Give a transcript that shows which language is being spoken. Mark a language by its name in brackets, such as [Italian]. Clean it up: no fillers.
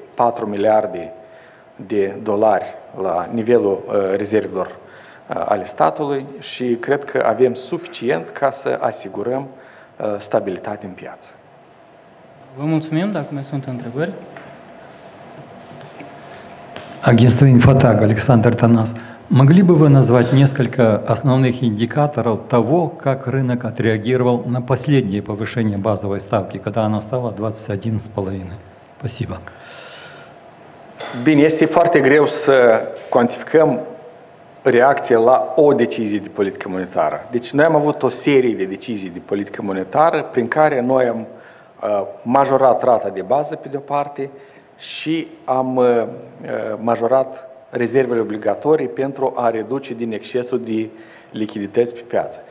[Romanian] 4 miliarde de dolari la nivelul rezervelor ale statului și cred că avem suficient ca să asigurăm stabilitate în piață. Vă mulțumim, dacă mai sunt întrebări. [Russian] Агентство «Инфотаг», Александр Танас. Могли бы вы назвать несколько основных индикаторов того, как рынок отреагировал на последнее повышение базовой ставки, когда она стала 21,5%? Спасибо. [Romanian] Bine, este foarte greu să cuantificăm reacția la o decizie de politică monetară. Deci noi am avut o serie de decizii de politică monetară prin care noi am majorat rata de bază pe de-o parte și am majorat rezervele obligatorii pentru a reduce din excesul de lichidități pe piață.